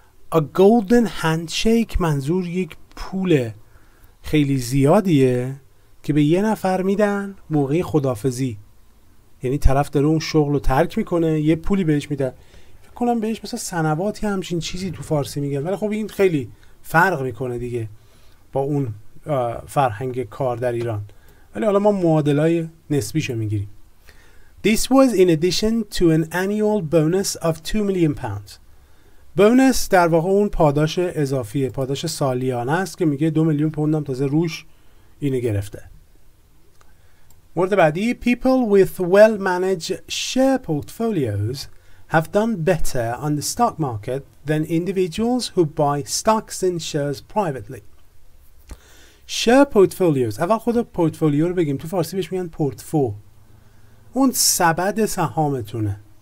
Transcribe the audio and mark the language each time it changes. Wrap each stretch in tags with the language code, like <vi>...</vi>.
<fa>A golden handshake منظور یک پول خیلی زیادیه که به یه نفر میدن موقع خدافزی، یعنی طرف داره اون شغل رو ترک میکنه، یه پولی بهش میدن. فکر کنم بهش مثلا سنواتی همچین چیزی تو فارسی میگن، ولی خب این خیلی فرق میکنه دیگه با اون فرهنگ کار در ایران، ولی حالا ما معادلای نسبیشو میگیریم.</fa> <en>This was in addition to an annual bonus of £2 million.</en> <fa>بونس در واقع اون پاداش اضافیه، پاداش سالیانه است که میگه 2 میلیون پوند هم تازه روش اینو گرفته. مورد بعدی،</fa> <en>people with well-managed share portfolios have done better on the stock market than individuals who buy stocks and shares privately.</en> <fa>Share portfolios، اول خود پورتفولیو رو بگیم، تو فارسی بهش میگن پورتفو، اون سبد سهامتونه.</fa>